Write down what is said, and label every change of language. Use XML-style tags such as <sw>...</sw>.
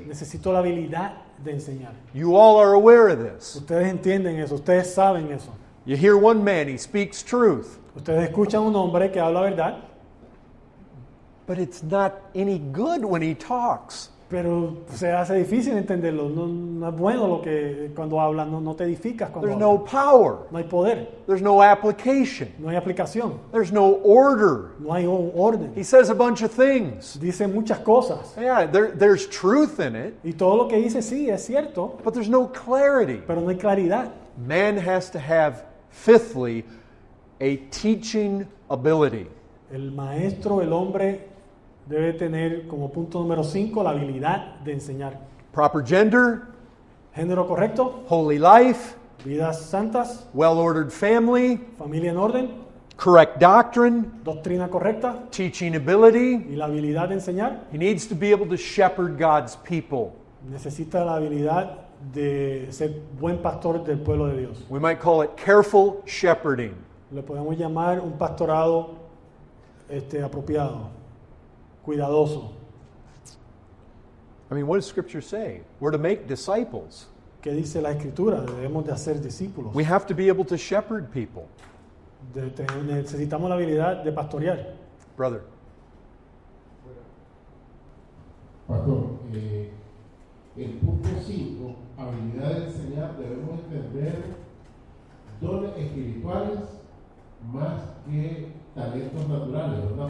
<es>Necesito la habilidad de enseñar.</es> <en>You all are aware of this.</en> <es>Ustedes entienden eso. Ustedes saben eso.</es> <en>You hear one man, he speaks truth.</en> <es>Ustedes escuchan un hombre que habla verdad.</es> <en>But it's not any good when he talks.</en> <es>Pero se hace difícil entenderlo. No, no es bueno lo que cuando habla, no te edificas cuando</es> <en>There's</en> <es>habla.</es> <en>No power.</en> <es>No hay poder.</es> <en>There's no application.</en> <es>No hay aplicación.</es> <en>There's no order.</en> <es>No hay orden.</es> <en>He says a bunch of things.</en> <es>Dice muchas cosas.</es> <en>Yeah, there's truth in it.</en> <es>Y todo lo que dice, sí, es cierto.</es> <en>But there's no clarity.</en> <es>Pero no hay claridad.</es> <en>Man has to have, fifthly, a teaching ability.</en> <es>El maestro, el hombre, debe tener como punto número 5 la habilidad de enseñar.</es> <en>Proper gender.</en> <es>Género correcto.</es> <en>Holy life.</en> <es>Vidas santas.</es> <en>Well-ordered family.</en> <es>Familia en orden.</es> <en>Correct doctrine.</en> <es>Doctrina correcta.</es> <en>Teaching ability.</en> <es>Y la habilidad de enseñar.</es> <en>He needs to be able to shepherd God's people.</en> <es>Necesita la habilidad de ser buen pastor del pueblo de Dios.</es> <en>We might call it careful shepherding.</en> <es>Le podemos llamar un pastorado apropiado. Cuidadoso.</es> <en>I mean, what does Scripture say? We're to make disciples.</en> <es>¿Qué dice la Escritura? Debemos de hacer discípulos.</es> <en>We have to be able to shepherd people.</en> <es>Necesitamos la habilidad de pastorear.</es> <en>Brother.</en> <es>Pastor, el punto 5, habilidad de enseñar, debemos entender dones espirituales más que talentos naturales, ¿verdad?</es>